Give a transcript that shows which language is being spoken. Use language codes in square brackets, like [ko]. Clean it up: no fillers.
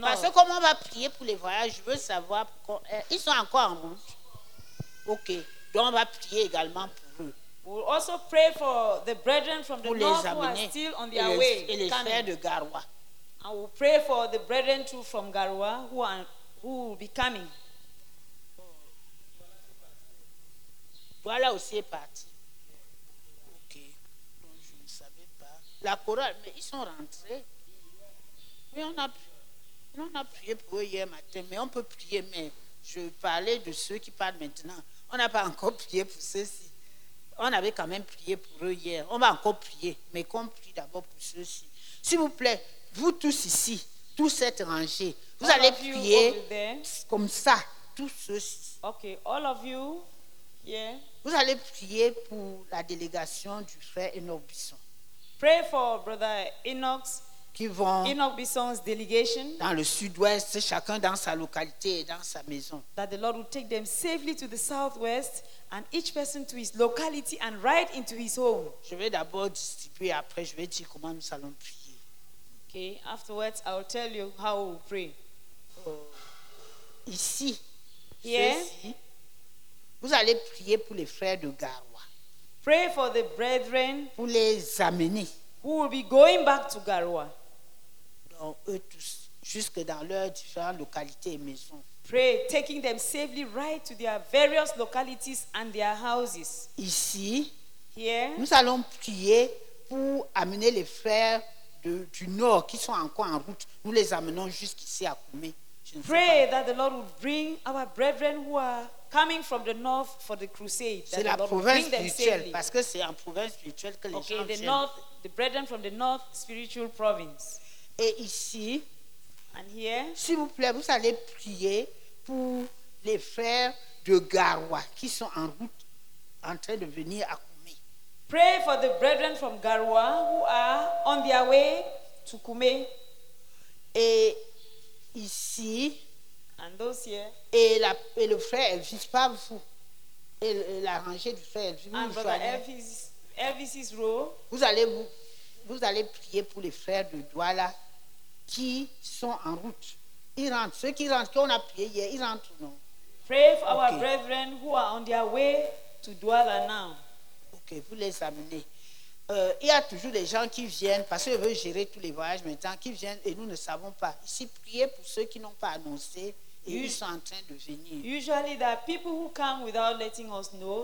[fr] Parce que comment on va prier pour les voyages, je veux savoir. Ils sont encore en route. Ok, donc on va prier également pour eux. [en] We'll also pray for the brethren from the north who are still on their way. [fr] Et les frères de Garoua. [en] And we'll pray for the brethren too from Garoua who will be coming. [fr] Voilà aussi est parti. Ok. Donc je ne savais pas. La chorale, mais ils sont rentrés. Mais on a prié pour eux hier matin. Mais on peut prier, mais je parlais de ceux qui parlent maintenant. On n'a pas encore prié pour ceux-ci. On avait quand même prié pour eux hier. On va encore prier, mais qu'on prie d'abord pour ceux-ci. S'il vous plaît, vous tous ici, tous cette rangée, vous [en] all [fr] allez prier comme ça, tous ceux-ci. [en] Ok, all of you, yeah. [fr] Vous allez prier pour la délégation du frère Enoch Bisson. [en] Pray for brother Enoch. [fr] Qui vont [en] Enoch Bisson's delegation, [fr] dans le sud-ouest, chacun dans sa localité et dans sa maison. [en] That the Lord will take them safely to the southwest. And each person to his locality and right into his home. [fr] Je vais d'abord distribuer, après je vais dire comment nous allons prier. [en] Okay, afterwards I will tell you how we will pray. [fr] Ici, yeah. Ceci, vous allez prier pour les frères de Garoua. [en] Pray for the brethren. [fr] Pour les amener. [en] Who will be going back to Garoua. [fr] Donc eux tous, jusque dans leurs différentes localités et maisons. [en] Pray, taking them safely right to their various localities and their houses. [fr] Ici, [en] here, [fr] nous allons prier pour amener les frères du Nord qui sont encore en route. Nous les amenons jusqu'ici à Koumé. [en] Pray that the Lord would bring our brethren who are coming from the North for the crusade. [fr] C'est la province spirituelle, parce que c'est en province spirituelle que les gens viennent. [en] Okay, the North, the brethren from the North spiritual province. [fr] Et ici. [en] And here, [fr] s'il vous plaît, vous allez prier pour les frères de Garoua qui sont en route, en train de venir à Koumé. [en] Pray for the brethren from Garoua who are on their way to Koumé. [fr] Et ici. [en] And those here. [fr] Et le frère Elvis, pas vous. Et la rangée du frère Elvis. [en] And brother Elvis's row. [fr] Vous allez prier pour les frères de Douala. Qui sont en route. Ils rentrent. Ceux qui rentrent, qu'on a prié hier, ils rentrent ou non? [en] Pray for okay. Our brethren who are on their way to Douala now. [fr] Ok, vous les amenez. Il y a toujours des gens qui viennent, parce qu'ils veulent gérer tous les voyages maintenant, qui viennent et nous ne savons pas. Ici, priez pour ceux qui n'ont pas annoncé [en] Usually there are people who come without letting us know.